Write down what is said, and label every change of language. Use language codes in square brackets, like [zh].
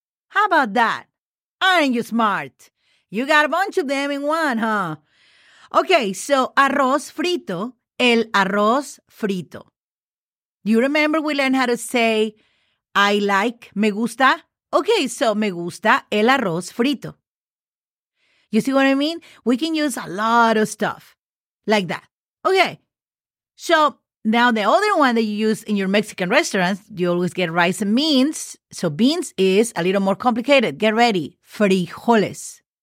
[en] How about that? Aren't you smart? You got a bunch of them in one, huh? Okay, so [es] arroz frito, el arroz frito. [en] Do you remember we learned how to say I like, me gusta? Okay, so [es] me gusta el arroz frito. [en] You see what I mean? We can use a lot of stuff like that. Okay, so now the other one that you use in your Mexican restaurants, you always get rice and beans. So beans is a little more complicated. Get ready. Frijoles.